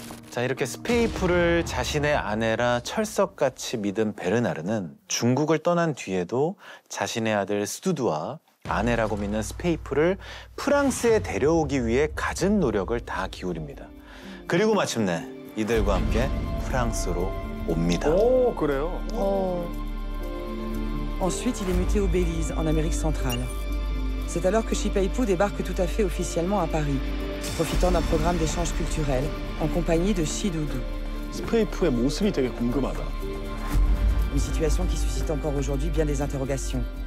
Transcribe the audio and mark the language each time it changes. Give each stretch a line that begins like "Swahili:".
Korean: 자, 이렇게 스페이프를 자신의 아내라 철석같이 믿은 베르나르는 중국을 떠난 뒤에도 자신의 아들 스투드와 아내라고 믿는 스페이프를 프랑스에 데려오기 위해 가진 노력을 다 기울입니다. 그리고 마침내 이들과 함께 프랑스로 옵니다. 오, 그래요? 오.
French: Ensuite, il est muté au Belize, en Amérique centrale. C'est alors que Chipeipu débarque tout à fait officiellement à Paris, profitant d'un programme d'échange culturel en compagnie de Xi Doudou.
Korean: 스페이프의 모습이 되게 궁금하다.
French: Une situation qui suscite encore aujourd'hui bien des interrogations.